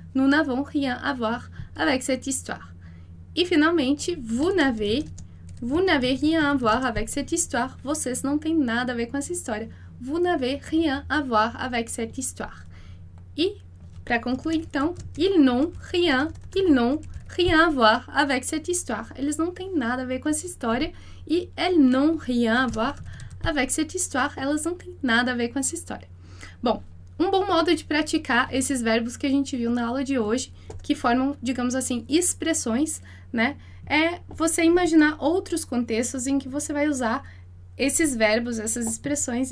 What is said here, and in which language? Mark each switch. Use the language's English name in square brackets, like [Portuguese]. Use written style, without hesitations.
[French] Nous n'avons rien à voir avec cette histoire. [Portuguese] E finalmente, [French] vous n'avez rien à voir avec cette histoire. [Portuguese] Vocês não têm nada a ver com essa história. [French] Vous n'avez rien à voir avec cette histoire. [Portuguese] E, para concluir, então, [French] ils n'ont rien à voir avec cette histoire. [Portuguese] Eles não têm nada a ver com essa história. E [French] elles n'ont rien à voir avec cette histoire. [Portuguese] Elas não têm nada a ver com essa história. Bom, Um bom modo de praticar esses verbos que a gente viu na aula de hoje, que formam, digamos assim, expressões, né? É você imaginar outros contextos em que você vai usar esses verbos, essas expressões.